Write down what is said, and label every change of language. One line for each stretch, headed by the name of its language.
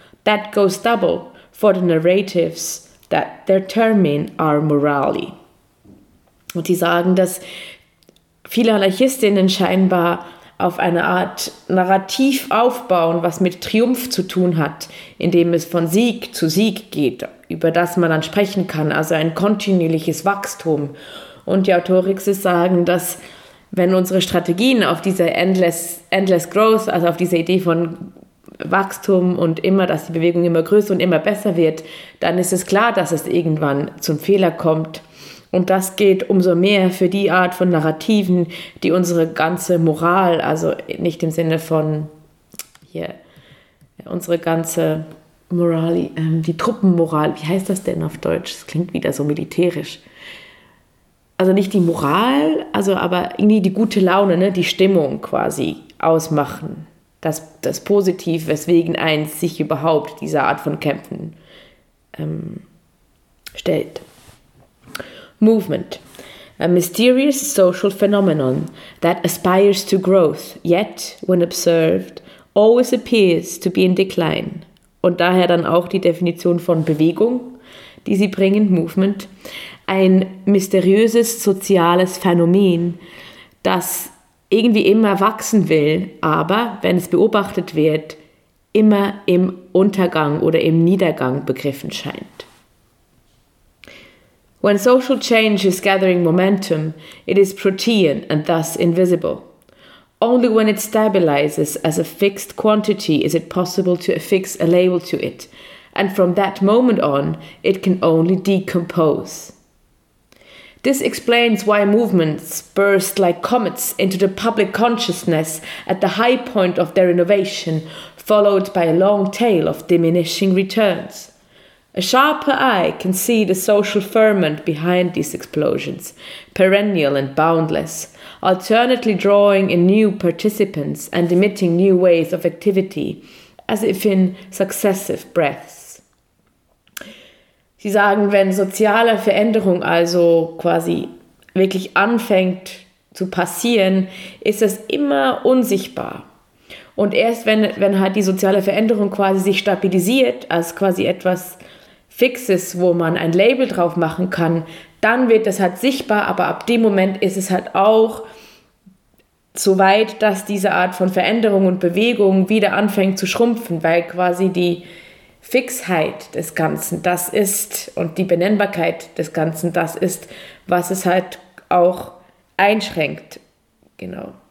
English: That goes double for the narratives that determine our morality.
German: Und sie sagen, dass viele Anarchistinnen scheinbar auf eine Art Narrativ aufbauen, was mit Triumph zu tun hat, indem es von Sieg zu Sieg geht, über das man dann sprechen kann, also ein kontinuierliches Wachstum. Und die AutorXs sagen, dass wenn unsere Strategien auf diese
English: Endless Growth,
German: also auf diese Idee von Wachstum und immer, dass die Bewegung immer größer und immer besser wird, dann ist es klar, dass es irgendwann zum Fehler kommt. Und das geht umso mehr für die Art von Narrativen, die unsere ganze Moral, also nicht im Sinne von hier, unsere ganze Moral, die Truppenmoral, wie heißt das denn auf Deutsch? Das klingt wieder so militärisch. Also nicht die Moral, also aber irgendwie die gute Laune, ne, die Stimmung quasi ausmachen. Das Positiv, weswegen eins sich überhaupt dieser Art von Kämpfen stellt.
English: Movement, a mysterious social phenomenon that aspires to growth, yet, when observed, always appears to be in decline.
German: Und daher dann auch die Definition von Bewegung, die sie bringen, Movement. Ein mysteriöses soziales Phänomen, das irgendwie immer wachsen will, aber, wenn es beobachtet wird, immer im Untergang oder im Niedergang begriffen scheint.
English: When social change is gathering momentum, it is protean and thus invisible. Only when it stabilizes as a fixed quantity is it possible to affix a label to it, and from that moment on, it can only decompose. This explains why movements burst like comets into the public consciousness at the high point of their innovation, followed by a long tail of diminishing returns. A sharper eye can see the social ferment behind these explosions, perennial and boundless, alternately drawing in new participants and emitting new waves of activity, as if in successive breaths.
German: Sie sagen, wenn soziale Veränderung also quasi wirklich anfängt zu passieren, ist es immer unsichtbar. Und erst wenn halt die soziale Veränderung quasi sich stabilisiert, als quasi etwas Fixes, wo man ein Label drauf machen kann, dann wird es halt sichtbar, aber ab dem Moment ist es halt auch so weit, dass diese Art von Veränderung und Bewegung wieder anfängt zu schrumpfen, weil quasi die Fixheit des Ganzen, das ist, und die Benennbarkeit des Ganzen, das ist, was es halt auch einschränkt, Genau.